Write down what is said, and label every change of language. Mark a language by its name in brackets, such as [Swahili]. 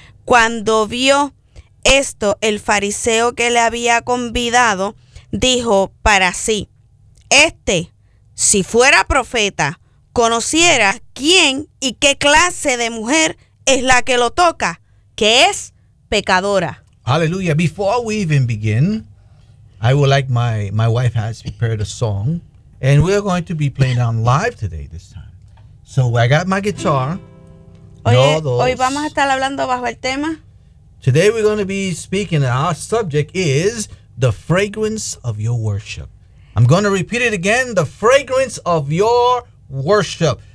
[Spanish] Cuando vio esto, el fariseo que le había convidado dijo para sí, este, si fuera profeta, conociera quién y qué clase de mujer es la que lo toca, que es pecadora. [English] Hallelujah. Before we even begin, I would like my wife has prepared a song, and we're going to be playing on live today this time. So I got my guitar. [Spanish] Oye, hoy vamos a estar hablando bajo el tema. [English] Today we're going to be speaking, and our subject is the fragrance of your worship. I'm going to repeat it again, the fragrance of your worship.